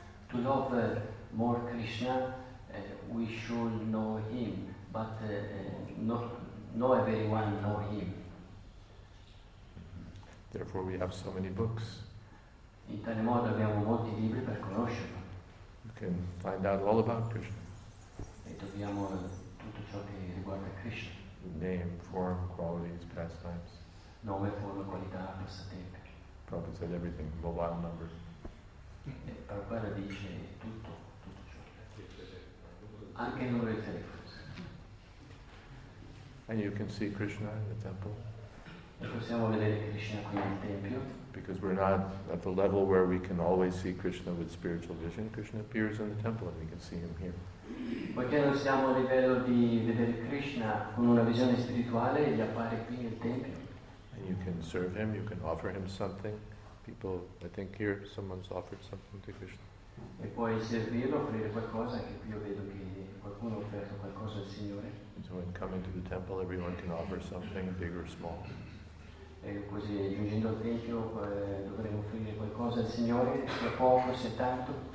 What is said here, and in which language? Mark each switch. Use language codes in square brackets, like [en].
[en] To love more Krishna, we should know him, but not everyone know him. Therefore, we have so many books. [it] In tale modo abbiamo molti libri per conoscerlo. [en] You can find out all about Krishna. [it] E dobbiamo tutto ciò che riguarda Krishna. [en] Name, form, qualities, pastimes. [it] Nome, forma, qualità, passatempi. [en] Prabhupada said everything. Mobile number. [it] Prabhupada dice tutto ciò. Anche il numero di telefono. [en] And you can see Krishna in the temple. [it] E possiamo vedere Krishna qui nel tempio. [en] Because we're not at the level where we can always see Krishna with spiritual vision. Krishna appears in the temple and we can see him here. [it] Poiché non siamo a livello di vedere Krishna con una visione spirituale, gli appare qui nel tempio. [en] And you can serve him, you can offer him something. People, I think here someone's offered something to Krishna. [it] E puoi servirlo, offrire qualcosa, anche qui io vedo che qualcuno ha offerto qualcosa al Signore. [en] So in coming to the temple everyone can offer something, big or small. [it] E così giungendo al tempio dovremo offrire qualcosa al Signore, se poco, se tanto.